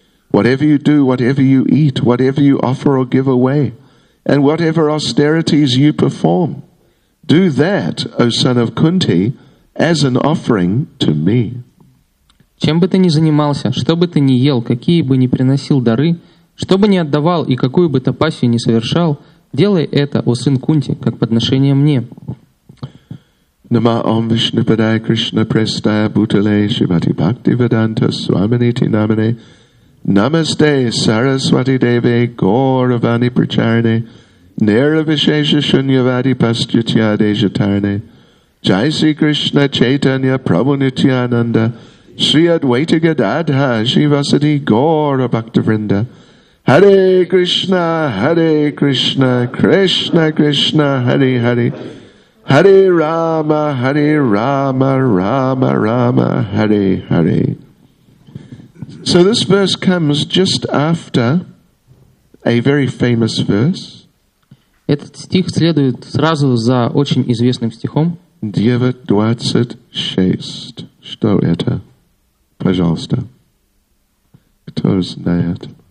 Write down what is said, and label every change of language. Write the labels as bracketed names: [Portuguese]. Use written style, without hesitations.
[English] Whatever you do, whatever you eat, whatever you offer or give away, and whatever austerities you perform, do that, O son of Kunti, as an offering to me. [Russian] Чем бы ты ни занимался, что бы ты ни ел, какие бы ни приносил дары, что бы ни отдавал и какую бы тапасью ни совершал, делай это, о сын Кунти, как подношение мне. [Sanskrit] Нама ом Вишнупадая Кришна Престая Бутале Шивати Бхакти Веданта Свамини Тинамине Намасте Сарасвати Деве Горавани Причарне Нервишеша Шуньявади Пастютья Дежатарне Джай Си Кришна Чайтанья Прабху Нитьянанда Шри Адвайта Гададха Шивасати Гора Бхактивринда Hare Krishna, Hare Krishna, Krishna Krishna, Hare Hare. Hare Rama, Hare Rama, Rama Rama, Hare Hare. [English] So this verse comes just after a very famous verse. [Russian] Этот стих следует сразу за очень известным стихом. 9:26. Что это? Пожалуйста. Кто знает?